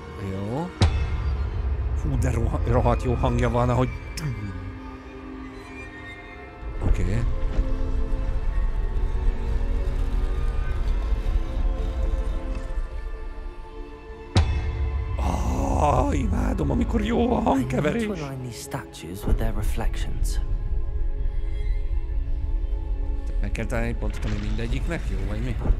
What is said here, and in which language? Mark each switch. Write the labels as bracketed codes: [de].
[hu] Jó. Hú, de rohadt jó hangja van, ahogy... Oké. Okay. Oh, imádom, amikor jó a hangkeverés. [en] I need to align these statues with their reflections. [hu] Meg kell találni egy pontot, ami mindegyiknek jó, vagy mi?